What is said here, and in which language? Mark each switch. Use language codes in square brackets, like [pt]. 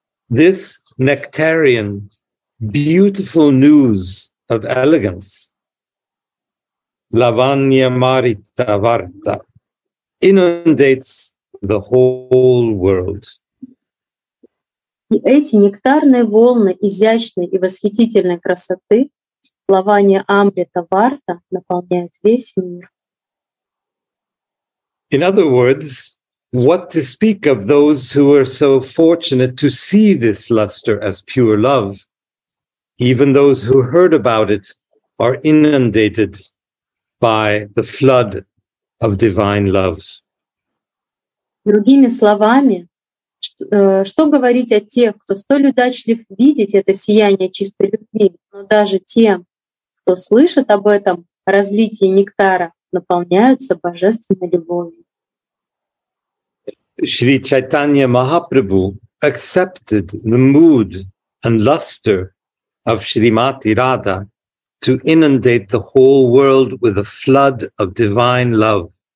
[en] This nectarian, beautiful news of elegance, Lavanya Marita Varta, inundates the whole world. [ru] И эти нектарные волны изящной и восхитительной красоты, Лавания Амрита Варта, наполняют весь мир. [en] In other words, what to speak of those who are so fortunate to see this luster as pure love? Even those who heard about it are inundated by the flood of divine love. [ru] Другими словами, что говорить о тех, кто столь удачлив видеть это сияние чистой любви, но даже тем, кто слышит об этом разлитии нектара, наполняются божественной любовью. [en] Shri Chaitanya Mahaprabhu accepted the mood and luster of Shrimati Radha to inundate the whole world with a flood of divine love.